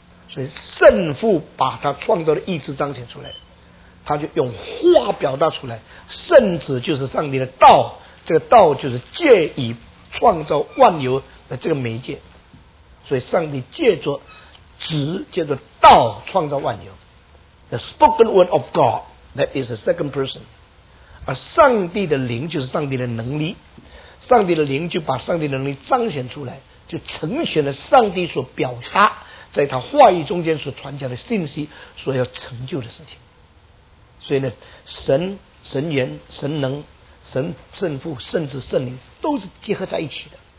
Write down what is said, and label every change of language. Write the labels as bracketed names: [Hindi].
[Chinese] 所以圣父把他创造的意志彰显出来，他就用话表达出来。圣子就是上帝的道，这个道就是借以创造万有的这个媒介。所以上帝借着子，借着道创造万有。 [English] The spoken word of God, that is the second person. [Chinese] 而上帝的灵就是上帝的能力，上帝的灵就把上帝的能力彰显出来，就呈现了上帝所表达在他话语中间所传讲的信息所要成就的事情。所以呢，神、神源、神能、神圣父、圣子、圣灵都是结合在一起的。